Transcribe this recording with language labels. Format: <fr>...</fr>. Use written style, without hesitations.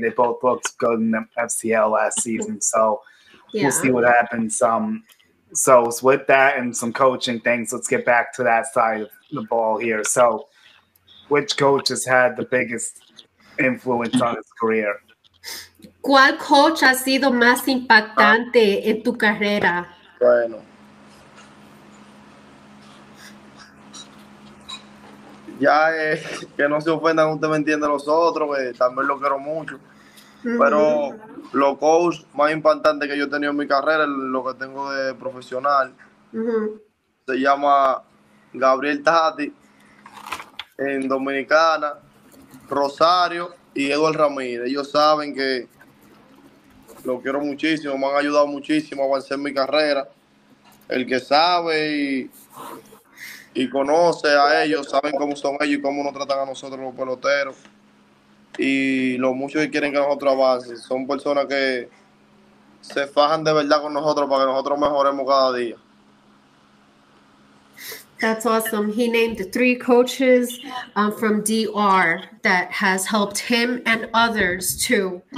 <en>They both looked good in the FCL last season, so we'll see what happens. So with that and some coaching things, let's get back to that side of the ball here. So which coach has had the biggest influence on his career?</en> <es>¿Cuál coach ha sido más impactante en tu carrera? Bueno, ya que no se ofendan, usted me entiende los otros, que también lo quiero mucho. Mm-hmm. Pero los coach más impactante que yo he tenido en mi carrera, lo que tengo de profesional, mm-hmm. se llama Gabriel Tati, en Dominicana, Rosario y Eduardo Ramírez. Ellos saben que lo quiero muchísimo, me han ayudado muchísimo a avanzar en mi carrera. El que sabe y conoce a ellos, saben cómo son ellos y cómo nos tratan a nosotros los peloteros. Y lo mucho que quieren que nosotros avancen. Son personas que se fajan de verdad con nosotros para que nosotros mejoremos cada día.</es> <en>That's awesome. He named three coaches from DR that has helped him and others too.</en>